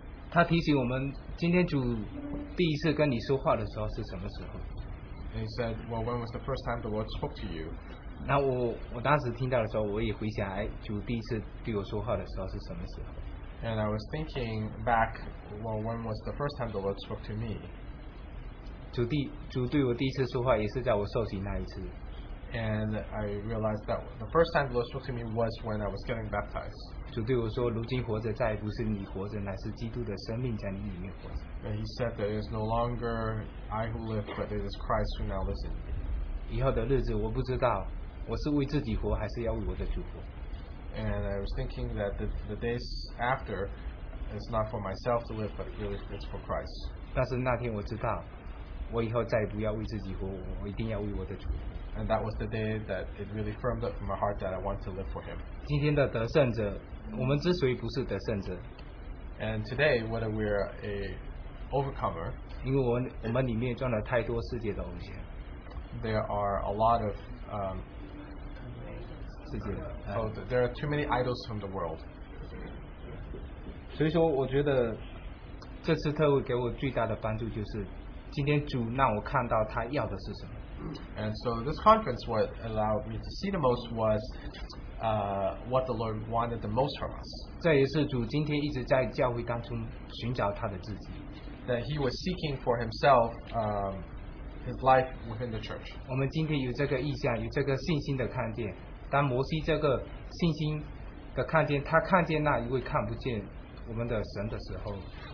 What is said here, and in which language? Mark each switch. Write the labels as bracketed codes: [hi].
[zh] 他提醒我们，今天主第一次跟你说话的时候是什么时候？ [en] And he said, well, when was the first time the Lord spoke to you? [zh] 那我当时听到的时候，我也回想，哎，主第一次对我说话的时候是什么时候？ [en] And I was thinking back, well, when was the first time the Lord spoke to me? [zh] 主对我第一次说话也是在我受洗那一次。 [en] And I realized that the first time the Lord spoke to me was when I was getting baptized. [zh] 主对我说，如今活着再不是你活着，乃是基督的生命在你里面活着。 [en] And he said that it is no longer I who live, but it is Christ who now lives in me. [zh] 以后的日子我不知道，我是为自己活，还是要为我的主活。 [en] And I was thinking that the days after is not for myself to live, but really it's for Christ. [zh] 但是那天我知道，我以后再也不要为自己活，我一定要为我的主活。 [en] And that was the day that it really firmed up in my heart that I want to live for him. [zh] 今天的得胜者，我们之所以不是得胜者。 [en] And today, whether we're a overcomer, [zh] 因为我们里面装了太多世界的东西。 [en] There are a lot of, [zh] 世界的。 [en] There are too many idols from the world. [zh] 所以说我觉得这次特会给我最大的帮助就是今天主让我看到他要的是什么。 [en] And so this conference, what allowed me to see the most was what the Lord wanted the most from us. That he was seeking for himself his life within the church.